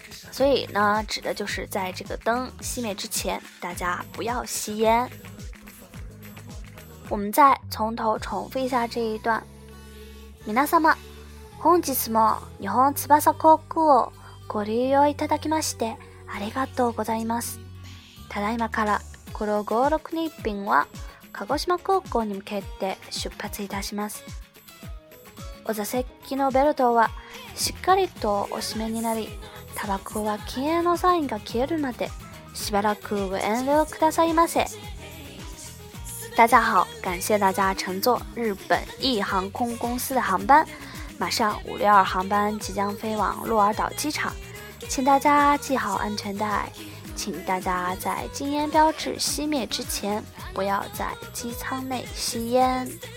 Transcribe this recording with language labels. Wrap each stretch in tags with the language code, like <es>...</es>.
<zh>所以呢，指的就是在这个灯熄灭之前大家不要吸烟。我们再从头重复一下这一段。</zh> <ja>皆様、本日も日本翼航空をご利用いただきましてありがとうございます。ただいまからこの56日便は鹿児島空港に向けて出発いたします。お座席のベルトはしっかりとお締めになり、タバコは禁煙のサインが消えるまでしばらくご遠慮くださいませ。</ja> <zh>大家好，感谢大家乘坐日本翼航空公司的航班，马上562航班即将飞往鹿儿岛机场，请大家系好安全带，请大家在禁烟标志熄灭之前不要在机舱内吸烟。</zh>